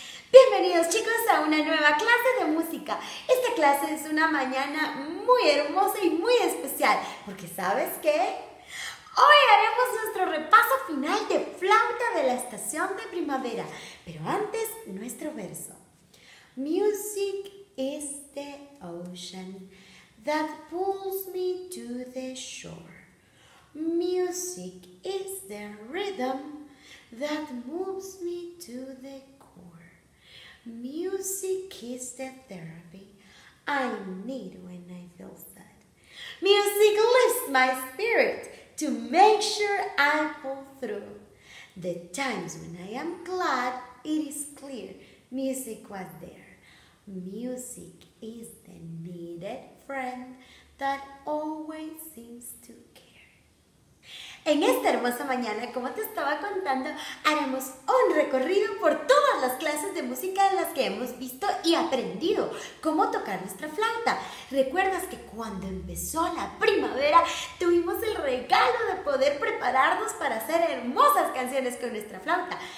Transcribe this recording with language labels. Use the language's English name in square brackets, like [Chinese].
[Spanish] Bienvenidos chicos a una nueva clase de música. Esta clase es una mañana muy hermosa y muy especial, porque ¿sabes qué? Hoy haremos nuestro repaso final de flauta de la estación de primavera, pero antes nuestro verso. [English] Music is the ocean that pulls me to the shore. Music is the rhythm that moves me to the core. Music is the therapy I need when I feel sad. Music lifts my spirit to make sure I pull through. The times when I am glad, it is clear music was there. Music is the needed friend that always seems to care. [Spanish] En esta hermosa mañana, como te estaba contando, haremos un recorrido por todas las clases de música en las que hemos visto y aprendido cómo tocar nuestra flauta. ¿Recuerdas que cuando empezó la primavera tuvimos el regalo de poder prepararnos para hacer hermosas canciones con nuestra flauta?